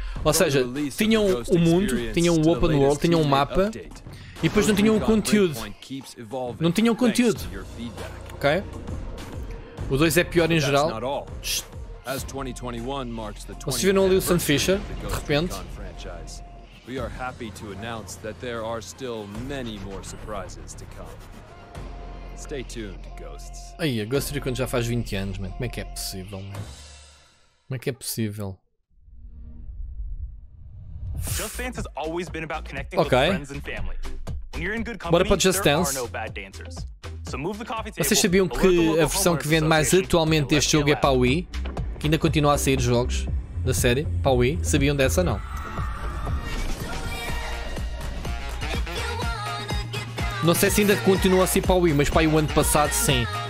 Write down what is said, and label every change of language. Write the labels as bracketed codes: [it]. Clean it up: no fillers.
[pt] Ou seja, tinham o mundo, tinham o open world, tinham um mapa e depois não tinham o conteúdo. Não tinham conteúdo. Ok? O 2 é pior em geral. Vocês viram ali o Sam Fisher, de repente. [en] We are happy to announce that there are still many more surprises to come. Stay tuned, ghosts. [pt] Aí, a Ghost Recon já faz 20 anos, mano. Como é que é possível, mano? Como é que é possível? [en] Just Dance has always been about connecting with friends and family. When you're in good company, there are no bad dancers. So move the coffee table. [pt] Vocês sabiam que a versão que vende mais atualmente deste jogo é para o Wii? Que ainda continua a sair jogos da série para o Wii? Sabiam dessa ou não? Não sei se ainda continua a ser para o Wii, mas para o ano passado, sim.